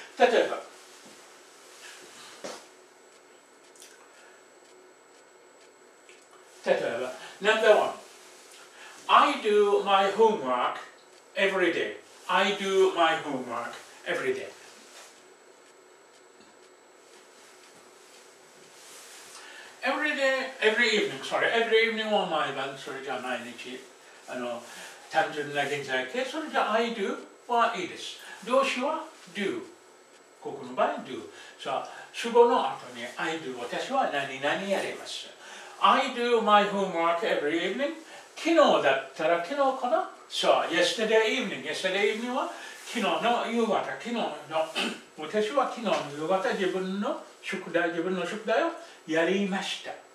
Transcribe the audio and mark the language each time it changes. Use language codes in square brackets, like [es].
[ja] 例えば、 [en] number one。 I do my homework every day. I do my homework every day. Every evening on my bank, [ja] それじゃ毎日、あの、単純な現在形、それじゃ [en] I do [ja] はいいです。動詞は do。ここの場合 do。さあ、主語の後に [en] I do、 [ja] 私は何々やります。 [en] I do my homework every evening. [ja] 昨日だったら昨日かな？そう、 [en] yesterday evening [ja] は昨日の夕方、昨日の、私は昨日の夕方自分の宿題をやりました。